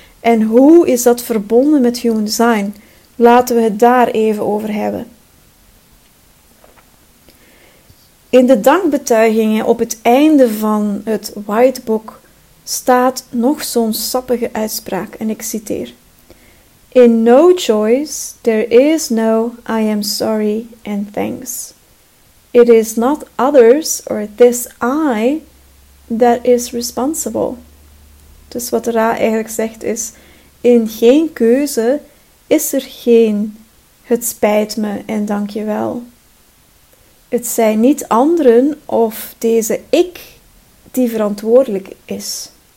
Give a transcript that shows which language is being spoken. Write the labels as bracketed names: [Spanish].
[Dutch] En hoe is dat verbonden met Human Design? Laten we het daar even over hebben. In de dankbetuigingen op het einde van het White Book staat nog zo'n sappige uitspraak en ik citeer. [English] In no choice, there is no I am sorry and thanks. It is not others or this I that is responsible. [Dutch] Dus wat Ra eigenlijk zegt is, in geen keuze is er geen het spijt me en dank je wel. Het zijn niet anderen of deze ik die verantwoordelijk is.